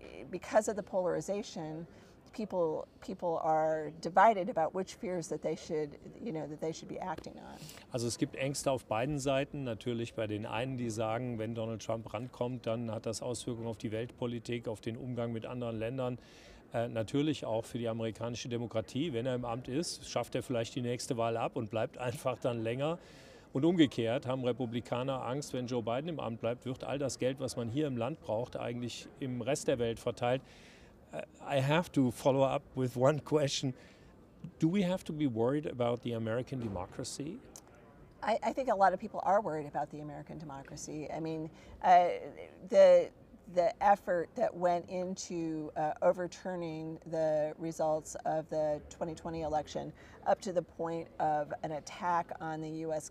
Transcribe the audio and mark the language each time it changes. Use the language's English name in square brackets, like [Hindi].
[English] Because of the polarization, People are divided about which fears that they should, that they should be acting on. [German] Also es gibt Ängste auf beiden Seiten. Natürlich bei den einen, die sagen, wenn Donald Trump rankommt, dann hat das Auswirkungen auf die Weltpolitik, auf den Umgang mit anderen Ländern. Natürlich auch für die amerikanische Demokratie. Wenn er im Amt ist, schafft er vielleicht die nächste Wahl ab und bleibt einfach dann länger. Und umgekehrt haben Republikaner Angst, wenn Joe Biden im Amt bleibt, wird all das Geld, was man hier im Land braucht, eigentlich im Rest der Welt verteilt. [English] I have to follow up with one question. Do we have to be worried about the American democracy? I think a lot of people are worried about the American democracy. I mean, the effort that went into overturning the results of the 2020 election up to the point of an attack on the U.S.